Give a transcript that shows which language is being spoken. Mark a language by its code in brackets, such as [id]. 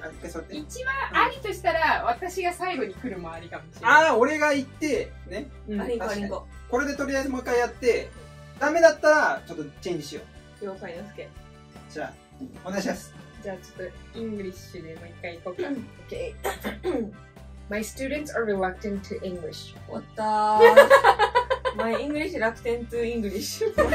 [ja] あ、そうって。一番ありとしたら、うん、私が最後に来るもありかもしれない。ああ、俺が行って、ね。うん、ありんこありんこ。これでとりあえずもう一回やって、ダメだったら、ちょっとチェンジしよう。了解ですけ。じゃあ、お願いします。じゃあ、ちょっと、イングリッシュでもう一回行こうか。 [en] OK 。 My students are reluctant to English. [ja] わったー。 [en] マイイングリッシュ、楽天トゥイングリッシュ。